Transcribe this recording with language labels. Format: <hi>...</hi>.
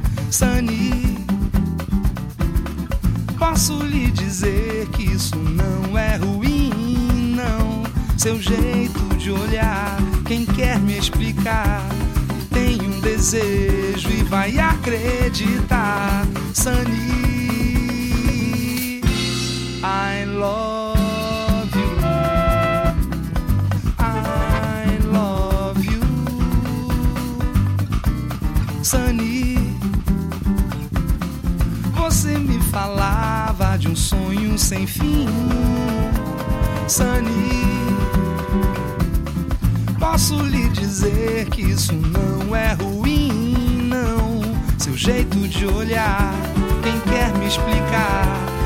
<pt>Sunny, posso lhe dizer que isso não é ruim, não. Seu jeito de olhar, quem quer me explicar? Tem um desejo e vai acreditar, Sunny.</pt> <en>I love you, I love you, Sunny.</en> <pt>Você me falava de um sonho sem fim, Sunny. Posso lhe dizer que isso não é ruim, não. Seu jeito de olhar, quem quer me explicar?</pt>